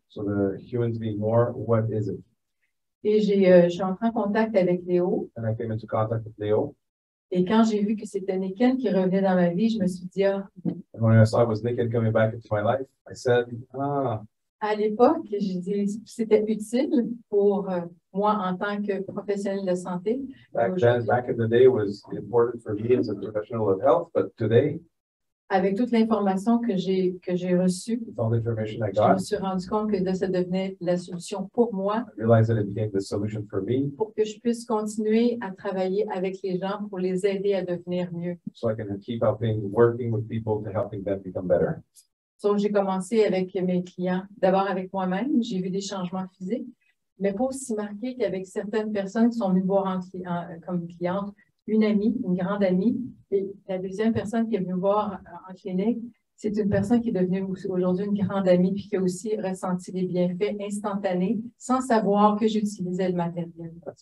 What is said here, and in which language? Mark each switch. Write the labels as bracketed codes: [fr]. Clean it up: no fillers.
[en] So the humans being more, what is it? [fr] Et je suis entrée en contact avec Léo. [en] And I came into contact with Léo. [fr] Et quand j'ai vu que c'était Nikken qui revenait dans ma vie, je me suis dit, ah. [en] And when I saw it was Nikken coming back into my life, I said, ah, [fr] À l'époque, je dis c'était utile pour moi en tant que professionnel de santé. [en] Back in the day, was important for me as a professional of health, but today, [fr] avec toute l'information que j'ai reçue, je me suis rendu compte que ça devenait la solution pour moi. [en] I realized that it became the solution for me. [fr] Pour que je puisse continuer à travailler avec les gens pour les aider à devenir mieux. [en] So I can keep helping, working with people to helping them become better. [fr] Donc, j'ai commencé avec mes clients, d'abord avec moi-même, j'ai vu des changements physiques, mais pas aussi marqué qu'avec certaines personnes qui sont venues voir comme cliente, une amie, une grande amie, et la deuxième personne qui est venue voir en clinique, c'est une personne qui est devenue aujourd'hui une grande amie, puis qui a aussi ressenti des bienfaits instantanés, sans savoir que j'utilisais le matériel.